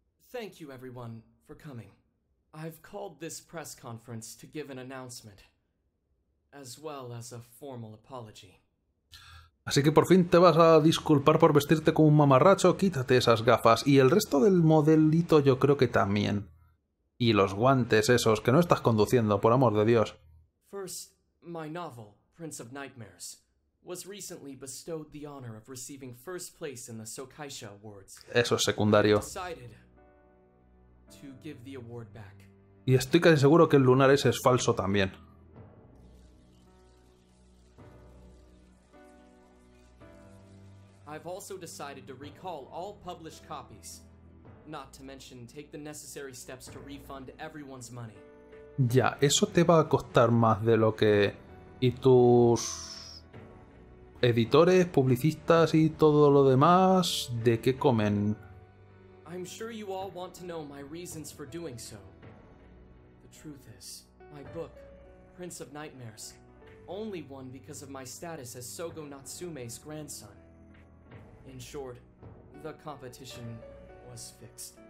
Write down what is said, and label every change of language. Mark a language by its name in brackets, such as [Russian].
[English] Thank you, everyone, for coming. I've called this press conference to give an announcement, as well as a formal apology. [Spanish] Así que por fin te vas a disculpar por vestirte como un mamarracho, quítate esas gafas, y el resto del modelito yo creo que también. Y los guantes esos, que no estás conduciendo, por amor de Dios. [English] First, my novel, Prince of Nightmares, was recently bestowed the honor of receiving first place in the Sokaisha Awards. [Spanish] Eso es secundario. [English] To give the award back. [Spanish] Y estoy casi seguro que el lunar ese es falso también. [English] I've also decided to recall all published copies, not to mention take the necessary steps to refund everyone's money. [Spanish] Ya, eso te va a costar más de lo que y tus editores, publicistas y todo lo demás, ¿de qué comen? [English] I'm sure you all want to know my reasons for doing so. The truth is, my book, Prince of Nightmares, only won because of my status as Sogo Natsume's grandson. In short, the competition was fixed.